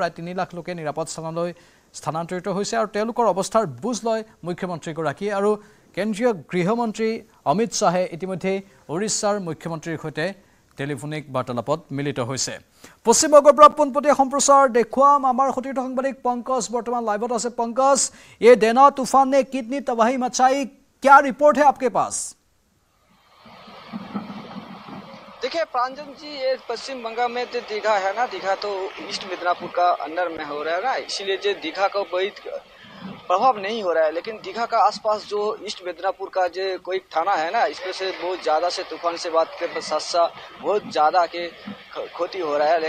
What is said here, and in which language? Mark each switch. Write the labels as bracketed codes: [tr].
[as] প্ৰায় 3 লাখ লোকে নিৰাপদ স্থানলৈ স্থানান্তৰিত হৈছে আৰু তেওঁলোকৰ অৱস্থাৰ বুজ লয় মুখ্যমন্ত্ৰীগৰাকীয়ে। আৰু কেন্দ্ৰীয় গৃহমন্ত্ৰী অমিত শ্বাহে ইতিমধ্যে উৰিষ্যাৰ মুখ্যমন্ত্ৰীৰ সৈতে টেলিফোনিক বাৰ্তালাপত মিলিত হৈছে। পশ্চিমবংগৰ পৰা পোনপটীয়া সম্প্ৰচাৰ দেখুৱাম আমাৰ সতীৰ্থ সাংবাদিক পংকজ, বৰ্তমান লাইভত আছে। [hi] পংকজ, এই ডেনা তুফানে কিডনি তবাহী মচাই, ক্যা রিপোর্ট হে আপকে পাস? देखिए प्रांजन जी, ये पश्चिम बंगाल में जो दीघा है ना, दीघा तो ईस्ट मिदनापुर का अंडर में हो रहा है ना, इसीलिए जो दीघा का बहुत प्रभाव नहीं हो रहा है, लेकिन दीघा का आसपास जो ईस्ट मिदनापुर का जो कोई थाना है ना, इसमें से बहुत ज़्यादा से तूफान से बात के साथ साथ बहुत ज़्यादा के खोती हो रहा है।